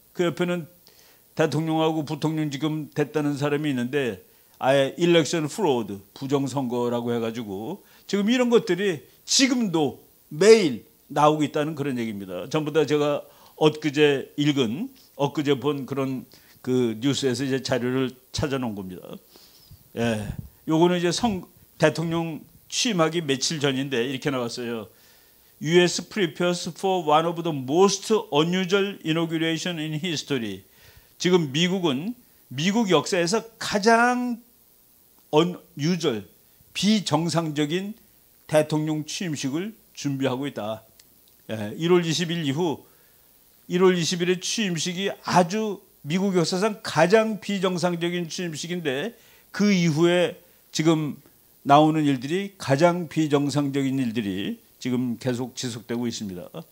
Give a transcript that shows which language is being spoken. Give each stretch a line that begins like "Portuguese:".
Korean: 그 옆에는 대통령하고 부통령 지금 됐다는 사람이 있는데 아예 election fraud 부정선거라고 해가지고 지금 이런 것들이 지금도 매일 나오고 있다는 그런 얘기입니다. 전부 다 제가 엊그제 본 그런 그 뉴스에서 이제 자료를 찾아놓은 겁니다. 예, 요거는 이제 대통령 취임하기 며칠 전인데 이렇게 나왔어요.
English: U.S. prepares for one of the most unusual inauguration in history.
Korean: 지금 미국은 미국 역사에서 가장 unusual, 비정상적인 대통령 취임식을 준비하고 있다. 1월 20일 이후 1월 20일의 취임식이 아주 미국 역사상 가장 비정상적인 취임식인데 그 이후에 지금 나오는 일들이 가장 비정상적인 일들이 지금 계속 지속되고 있습니다.